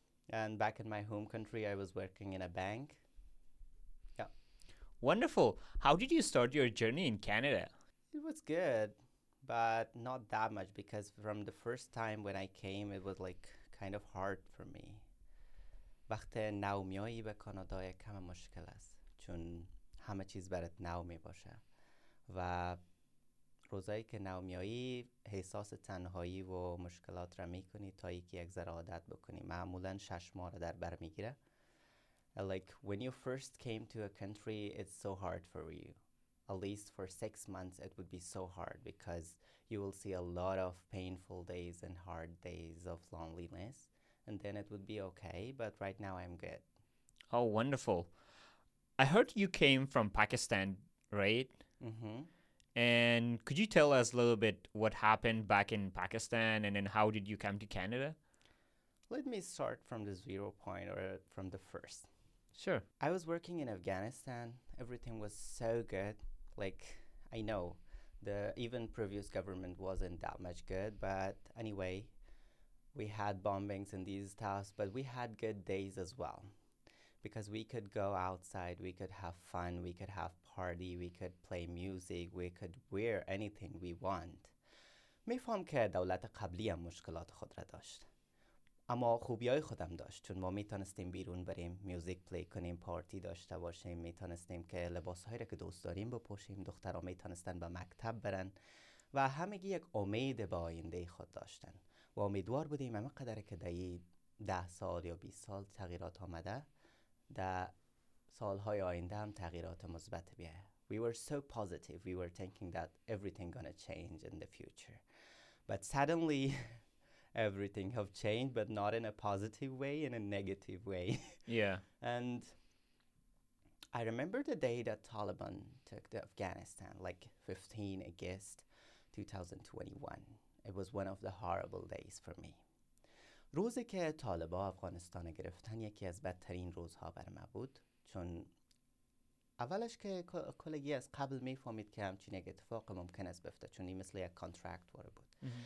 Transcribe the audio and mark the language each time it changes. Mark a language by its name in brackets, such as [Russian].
[English] And back in my home country, I was working in a bank. Yeah. Wonderful. How did you start your journey in Canada? It was good, but not that much, because from the first time when I came, it was like kind of hard for me. [Persian] وقتی نومیایی به کانادا کم مشکل است چون همه چیز برات نو میباشه و روزایی که نومیایی احساس تنهایی و مشکلات را میکنی تا یکی یک ذره عادت بکنی معمولا شش ماه را در بر میگیره. [English] Like when you first came to a country, it's so hard for you. At least for 6 months, it would be so hard because you will see a lot of painful days and hard days of loneliness. And then it would be okay, but right now I'm good. Oh, wonderful. I heard you came from Pakistan, right? Mm-hmm. And could you tell us a little bit what happened back in Pakistan and then how did you come to Canada? Let me start from the zero point or from the first. Sure. I was working in Afghanistan. Everything was so good. Like, I know the even previous government wasn't that much good, but anyway, we had bombings and these stuff, but we had good days as well because we could go outside, we could have fun, we could have party, we could play music, we could wear anything we want. [Persian] میفهم که دولت قبلی هم مشکلات خود را داشت. اما خوبی های خودم داشت چون ما میتونستیم بیرون بریم، میوزیک پلی کنیم، پارتی داشته باشیم، میتونستیم که لباس هایی را که دوست داریم بپوشیم، دخترها میتونستن به مکتب برن و همگی یک امید به آینده خود داشتن. و امیدوار بودیم همه قدر که در 10 سال یا 20 سال تغییرات آمده در سالهای آینده هم تغییرات مثبت بیه. [English] We were so positive. We were thinking that everything gonna change in the future. But suddenly everything have changed, but not in a positive way, in a negative way. Yeah. And I remember the day that Taliban took the Afghanistan, like 15 August 2021. It was one of the horrible days for me. [Persian] روزی که طالبا افغانستان گرفتن یکی از بدترین روزها بر من بود چون اولش که کلگی از قبل می فهمید که همچین یک اتفاق ممکن است بفته چون این مثل یک کانترکت واره بود.